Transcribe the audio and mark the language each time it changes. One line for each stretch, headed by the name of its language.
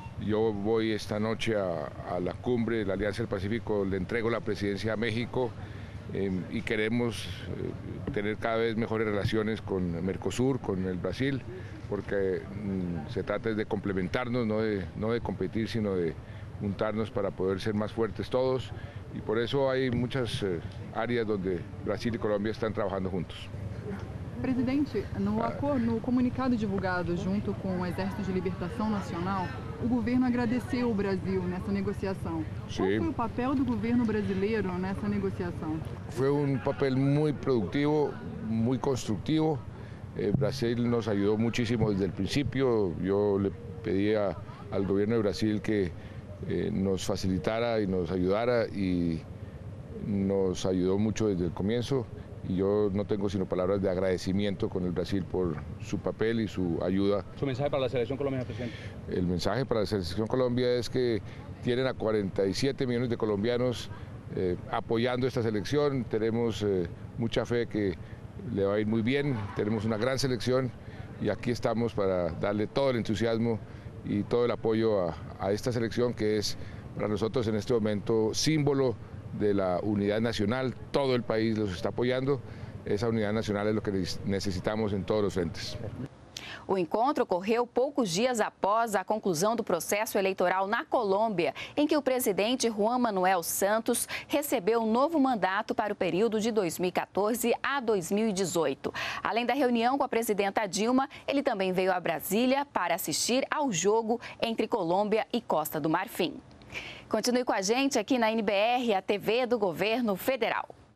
Spanish: Yo voy esta noche a la cumbre de la Alianza del Pacífico, le entrego la presidencia a México y queremos tener cada vez mejores relaciones con Mercosur, con el Brasil, porque se trata de complementarnos, no de competir, sino de juntarnos para poder ser más fuertes todos. Y por eso hay muchas áreas donde Brasil y Colombia están trabajando juntos.
Portuguese: Presidente, no comunicado divulgado junto com o Exército de Libertação Nacional, o governo agradeceu o Brasil nessa negociação. Sim. Qual foi o papel do governo brasileiro nessa negociação? Foi um papel muito produtivo, muito construtivo. O Brasil nos ajudou muitíssimo desde o princípio. Eu le pedi ao governo do Brasil que nos facilitara e nos ajudara e nos ajudou muito desde o começo.
Spanish: Y yo no tengo sino palabras de agradecimiento con el Brasil por su papel y su ayuda. ¿Su mensaje para la Selección Colombia, presidente? El mensaje para la Selección Colombia es que tienen a 47 millones de colombianos apoyando esta selección. Tenemos mucha fe que le va a ir muy bien. Tenemos una gran selección y aquí estamos para darle todo el entusiasmo y todo el apoyo a esta selección que es para nosotros en este momento símbolo de la unidad nacional, todo el país los está apoyando, esa unidad nacional es lo que necesitamos en todos los frentes.
Portuguese: O encontro ocorreu poucos dias após a conclusão do processo eleitoral na Colômbia, em que o presidente Juan Manuel Santos recebeu um novo mandato para o período de 2014 a 2018. Além da reunião com a presidenta Dilma, ele também veio a Brasília para assistir ao jogo entre Colômbia e Costa do Marfim. Continue com a gente aqui na NBR, a TV do Governo Federal.